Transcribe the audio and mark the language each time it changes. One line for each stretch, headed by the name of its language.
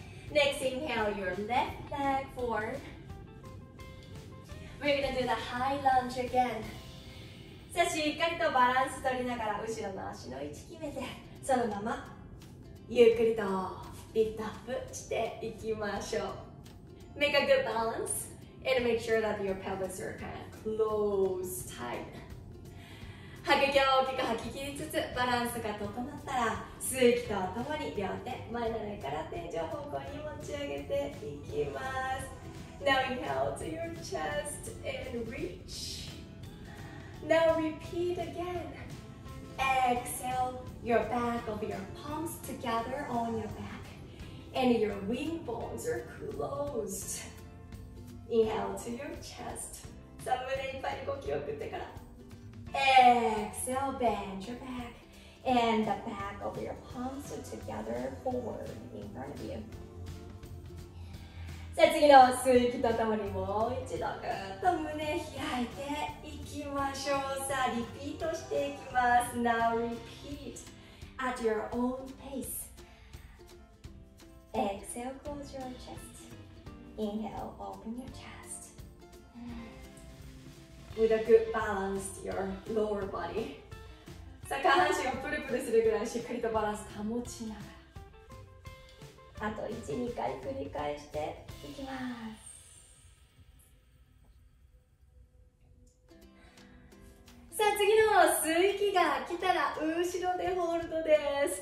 English: Next inhale your left leg forward。 We're gonna do the high lunge again。
Japanese: じゃあしっかりとバランス取りながら後ろの足の位置決めて、そのままゆっくりとリフトアップしていきましょう。
English: Make a good balance and make sure that your pelvis are kind of close tight。
Japanese: 吐く息を大きく吐き切りつつ、バランスが整ったら吸う息とともに両手前の上から天井方向に持ち上げていきます。
English: Now inhale to your chest and reach. Now repeat again. Exhale your back of your palms together on your back. And your wing bones are closed. Inhale to your chest.
Japanese: さあ胸いっぱい呼吸を送ってから。
English: Exhale, bend your back. And the back of your palms are together forward in front of you.
Japanese: じゃあ次の吸い息とともにもう一度ぐっと胸開いていきましょう。さあリピートしていきます。
English: Now repeat at your own pace. Exhale, close your chest. Inhale, open your chest. With a good balance to your lower body.
Japanese: さあ下半身をプルプルするぐらいしっかりとバランス保ちながら、あと1、2回繰り返していきます。さあ次の吸い息が来たら後ろでホールドです。